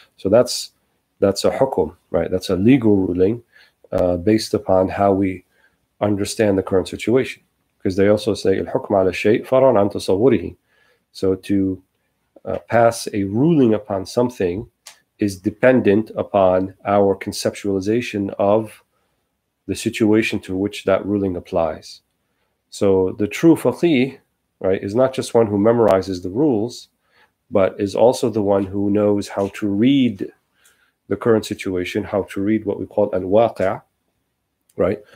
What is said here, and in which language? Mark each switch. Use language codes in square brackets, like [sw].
[en] So that's a hukum, right? That's a legal ruling based upon how we understand the current situation. Because they also say, [ar] الحكم على الشيء فرعن عن تصوره. [en] So to pass a ruling upon something is dependent upon our conceptualization of the situation to which that ruling applies. So the true faqih, right, is not just one who memorizes the rules, but is also the one who knows how to read the current situation, how to read what we call al-waqi', right?